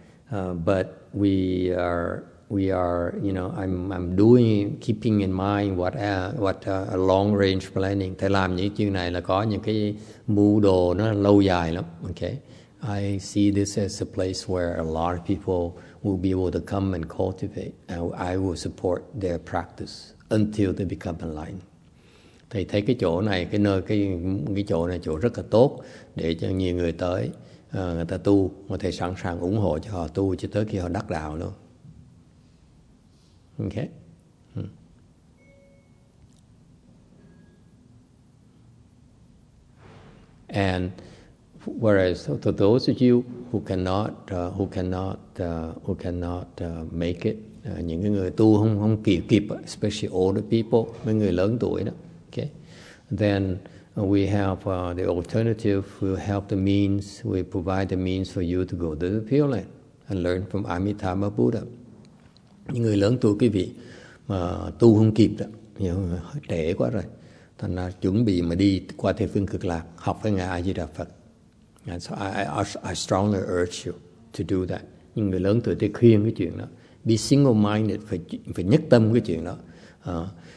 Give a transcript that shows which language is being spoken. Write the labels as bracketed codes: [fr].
[en] But we are, you know, I'm doing, keeping in mind what a long range planning. [vi] Thầy làm những chuyện này là có những cái mưu đồ nó lâu dài lắm. [en] Okay. I see this as a place where a lot of people will be able to come and cultivate. And I will support their practice until they become enlightened. [vi] Thầy thấy cái chỗ này, cái nơi chỗ rất là tốt để cho nhiều người tới, người ta tu, mà thầy sẵn sàng ủng hộ cho họ tu cho tới khi họ đắc đạo luôn. [en] Okay. And whereas to those of you who cannot make it, [vi] những cái người tu không kịp, [en] especially older people, [vi] mấy người lớn tuổi đó, [en] okay, then we have the alternative, we have the means, we provide the means for you to go to the Pure Land and learn from Amitabha Buddha. [vi] Những người lớn tuổi quý vị mà tu không kịp đó, hiểu không? Trễ quá rồi. Thành ra chuẩn bị mà đi qua Tây Phương Cực Lạc học với ngài A Di Đà Phật. [en] And so I strongly urge you to do that. [vi] Những người lớn tuổi thì khuyên cái chuyện đó. [en] Be single-minded, [vi] phải nhất tâm cái chuyện đó.